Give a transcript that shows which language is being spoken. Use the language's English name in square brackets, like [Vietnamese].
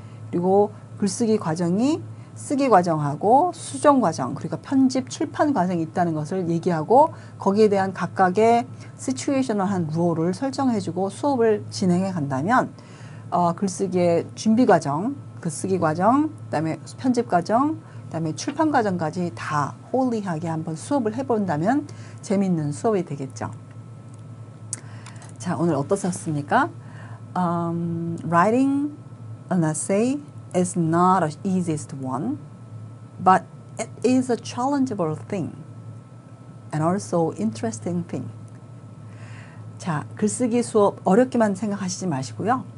[Korean] 그리고 글쓰기 과정이 쓰기 과정하고 수정 과정 그리고 편집 출판 과정이 있다는 것을 얘기하고 거기에 대한 각각의 시츄에이셔널한 룰을 설정해주고 수업을 진행해 간다면 글쓰기의 준비 과정, 글쓰기 과정, 그다음에 편집 과정, 그다음에 출판 과정까지 다 홀리하게 한번 수업을 해본다면 재밌는 수업이 되겠죠. 자, 오늘 어떠셨습니까? [English] Writing an essay is not the easiest one, but it is a challengeable thing. and also interesting thing. [Korean] 자, 글쓰기 수업 어렵기만 생각하시지 마시고요.